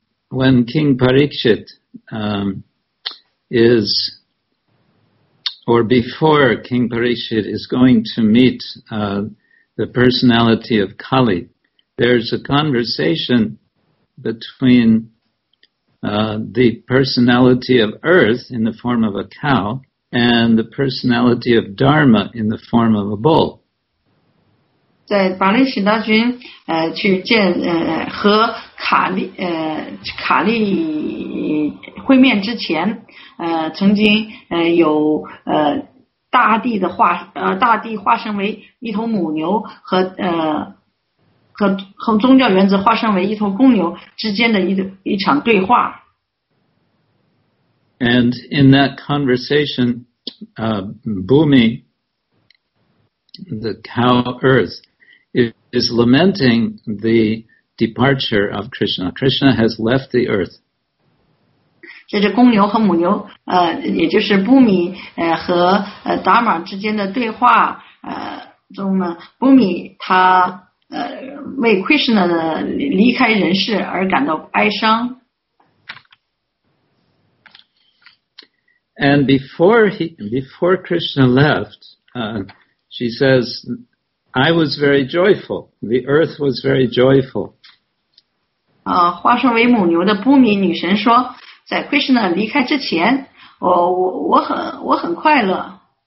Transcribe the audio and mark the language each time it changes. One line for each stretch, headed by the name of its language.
English: When King Parikshit or before King Parikshit is going to meet the personality of Kali, there's a conversation between the personality of earth in the form of a cow and the personality of Dharma in the form of a bull.
Chinese: 在巴利史大君去见和卡利会面之前，曾经有大地化身为一头母牛和宗教原则化身为一头公牛之间的一场对话。
English: And in that conversation, Bhumi, the cow earth, is lamenting the departure of Krishna. Krishna has left the earth.
Chinese: 这只公牛和母牛，也就是布米，和达玛之间的对话，中呢，布米他为 Krishna 的离开人世而感到哀伤。
English: And before Krishna left, she says, I was very joyful. The earth was very joyful.
Chinese: 化身为母牛的布米女神说，在 Krishna 离开之前，我很快乐。